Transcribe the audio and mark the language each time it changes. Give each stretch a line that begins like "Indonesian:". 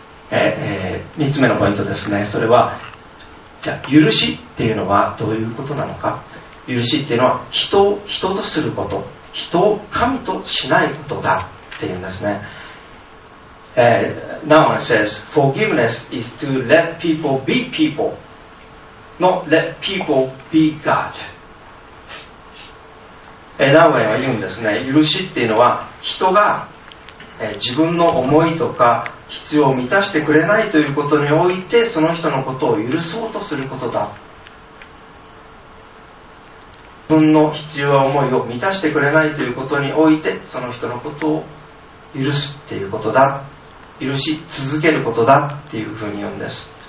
Japanese: 3つ目のポイントですね。それはじゃあ許しっていうのはどういうことなのか。許しっていうのは人を人とすること、人を神としないことだっていうんですね。
English: Now it says forgiveness is to let people be people, not let people be God.
Japanese: ナウエンは言うんですね、許しっていうのは人が、自分の思いとか必要を満たしてくれないということにおいてその人のことを許そうとすることだ。自分の必要や思いを満たしてくれないということにおいてその人のことを許すっていうことだ、許し続けることだっていうふうに言うんです。